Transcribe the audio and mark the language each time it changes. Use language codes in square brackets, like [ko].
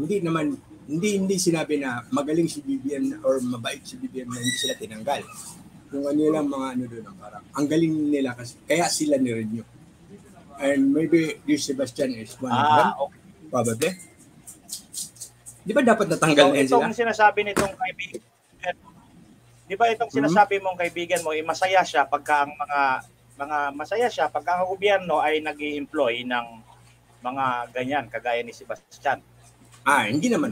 [tl] Hindi sinabi na magaling si BBM or mabait si BBM na hindi sila tinanggal. Yung kanilang mga ano doon, parang ang galing nila kasi kaya sila ni-renew. [en] And maybe this Sebastian is one of them. Okay. [tl] Probably. Di ba dapat natanggal na sila? Itong sinasabi nitong kaibigan, di ba itong sinasabi mong kaibigan mo, masaya siya pagka ang mga masaya siya pagka ang gobyerno ay nag-i-employ ng mga ganyan, kagaya ni Sebastian. Ah, hindi naman